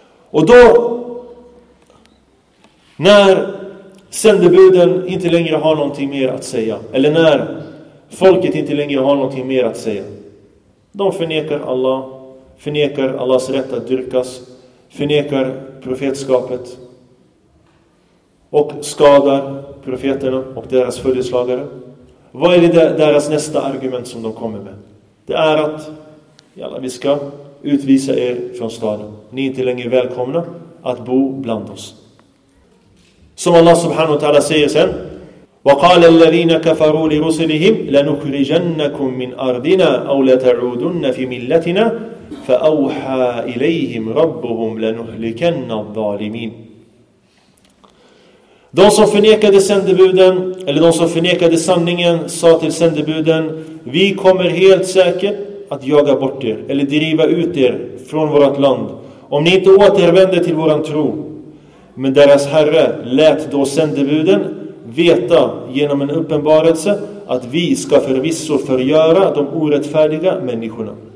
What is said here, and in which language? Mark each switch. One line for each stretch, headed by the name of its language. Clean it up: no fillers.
Swedish: Och då, när sändebuden inte längre har någonting mer att säga, eller när folket inte längre har någonting mer att säga, de förnekar Allah, förnekar Allahs rätt att dyrkas, förnekar profetskapet och skadar profeterna och deras följeslagare. Vad är det deras nästa argument som de kommer med? Det är att jalla, vi ska utvisa er från staden. Ni är inte längre välkomna att bo bland oss. Som Allah subhanahu wa ta'ala säger sen:
Arabic: وَقَالَ الَّذِينَ كَفَرُوا لِرُسِلِهِمْ لَنُخْرِجَنَّكُمْ مِنْ أَرْضِنَا أَوْ لَتَعُودُنَّ فِي مِلَّتِنَا فَأَوْحَى إِلَيْهِمْ رَبُّهُمْ لَنُهْلِكَنَّ الظَّالِمِينَ.
Swedish: De som förnekade sändebuden, eller de som förnekade sanningen, sa till sändebuden: vi kommer helt säkert att jaga bort er, eller driva ut er från vårt land, om ni inte återvänder till våran tro. Men deras herre lät då sändebuden veta genom en uppenbarelse att vi ska förvisso förgöra de orättfärdiga människorna.